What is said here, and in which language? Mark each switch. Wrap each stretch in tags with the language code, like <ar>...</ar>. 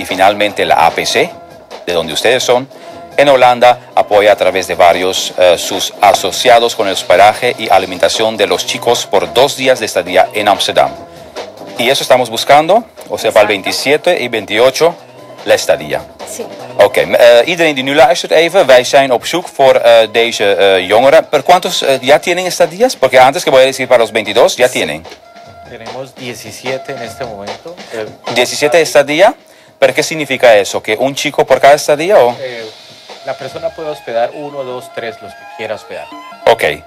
<es>Y finalmente la APC, de donde ustedes son, en Holanda apoya a través de varios sus asociados con el hospedaje y alimentación de los chicos por 2 días de estadía en Amsterdam. Y eso estamos buscando, o sea, para el 27 y 28 la estadía. Sí.</es> <nl>Ok, iedereen die nu luistert even, wij zijn op zoek voor deze jongeren.</nl> <es>¿Por cuántos ya tienen estadías? Porque antes que voy a decir para los 22, ya tienen. Tenemos 17 en este momento. 17 estadía, ¿pero qué significa eso? ¿Que un chico por cada estadía o...? La persona puede hospedar 1, 2, 3, los que quiera hospedar. Ok.</es>